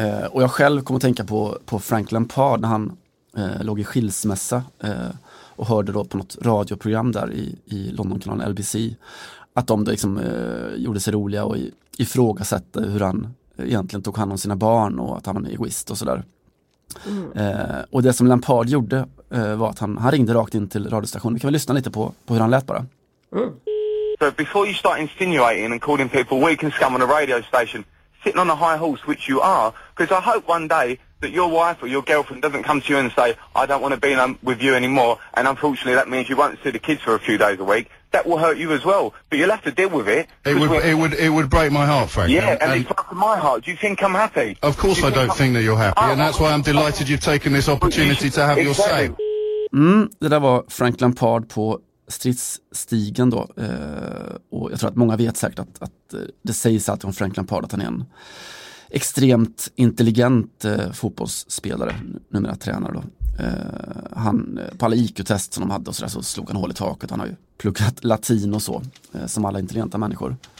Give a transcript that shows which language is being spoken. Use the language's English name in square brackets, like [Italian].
[Swedish] Och jag själv kommer att tänka på Frank Lampard när han låg i skilsmässa och hörde då på något radioprogram där i Londonkanalen LBC att de liksom gjorde sig roliga och ifrågasatte hur han egentligen tog hand om sina barn och att han var egoist och sådär. Och det som Lampard gjorde var att han ringde rakt in till radiostationen. Vi kan väl lyssna lite på hur han lät bara. [English] So before you start insinuating and calling people weak and scum on a radio station, sitting on a high horse, which you are, because I hope one day that your wife or your girlfriend doesn't come to you and say, I don't want to be with you anymore, and unfortunately that means you won't see the kids for a few days a week. That will hurt you as well, but you'll have to deal with it. It would break my heart, Frank. Yeah, and it breaks my heart. Do you think I'm happy? Of course I don't think that you're happy, and that's why I'm delighted you've taken this opportunity to have your say. [Swedish] Det där var Frank Lampard på stridsstigen då. Och jag tror att många vet säkert att det sägs alltid om Frank Lampard att han är en extremt intelligent fotbollsspelare, numera tränare då. Han, på alla IQ-test som de hade och så, där, så slog han hål i taket. Han har ju pluggat latin och så, som alla intelligenta människor.